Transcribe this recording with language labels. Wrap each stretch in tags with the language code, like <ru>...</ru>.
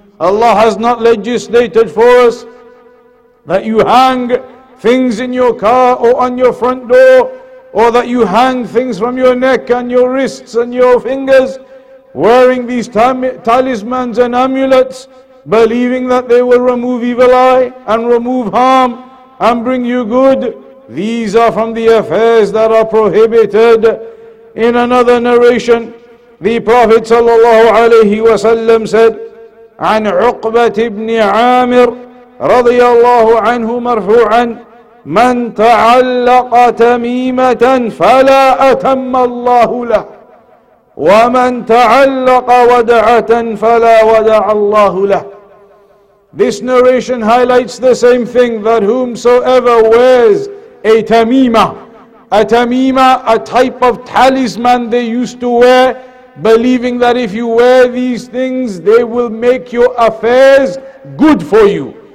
<en>Allah has not legislated for us that you hang things in your car or on your front door, or that you hang things from your neck and your wrists and your fingers, wearing these talismans and amulets, believing that they will remove evil eye and remove harm and bring you good. These are from the affairs that are prohibited. In another narration, the Prophet sallallahu alayhi wa sallam said,</en> <ar>عن عقبة بن عامر رضي الله عنه مرفوعا من تعلق تميمة فلا أتم الله له ومن تعلق ودعة فلا ودع الله له.</ar> <en>This narration highlights the same thing, that whomsoever wears a tamima, a tamima, a type of talisman they used to wear, believing that if you wear these things, they will make your affairs good for you.</en>